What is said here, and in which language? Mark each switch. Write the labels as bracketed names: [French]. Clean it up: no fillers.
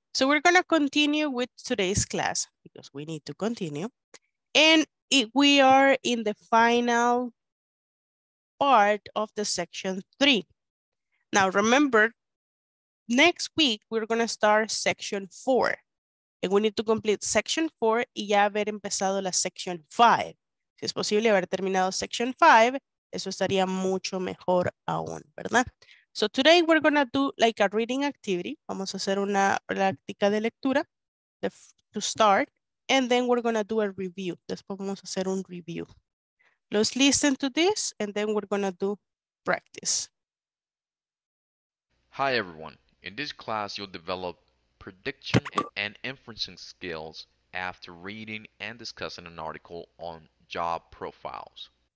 [English] So we're going to continue with today's class because we need to continue. And we are in the final part of the section 3. Now remember, next week we're going to start section 4. And we need to complete section 4 y ya haber empezado la section 5. [Spanish] Si es posible haber terminado section 5, eso estaría mucho mejor aún, ¿verdad? [English] So today we're gonna do like a reading activity. [Spanish] Vamos a hacer una práctica de lectura to start. [English] And then we're gonna do a review. Después vamos a hacer un review. Let's listen to this and then we're gonna do practice. Hi everyone. In this class, you'll develop prediction and inferencing skills after reading and discussing an article on job profiles.